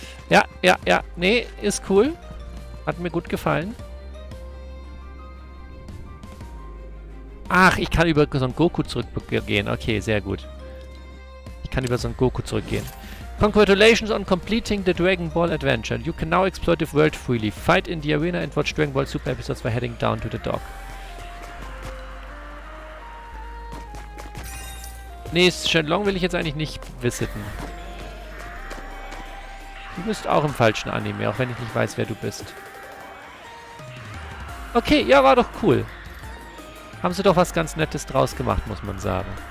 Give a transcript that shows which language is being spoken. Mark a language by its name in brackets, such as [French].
[German] Ja, ja, ja. Nee, ist cool. Hat mir gut gefallen. Ach, ich kann über so einen Goku zurückgehen. Okay, sehr gut. Ich kann über so einen Goku zurückgehen. [English] Congratulations on completing the Dragon Ball Adventure. You can now explore the world freely. Fight in the arena and watch Dragon Ball Super Episodes by heading down to the dock. [German] Nee, Shenlong will ich jetzt eigentlich nicht visiten. Du bist auch im falschen Anime, auch wenn ich nicht weiß, wer du bist. Okay, ja, war doch cool. Haben sie doch was ganz Nettes draus gemacht, muss man sagen.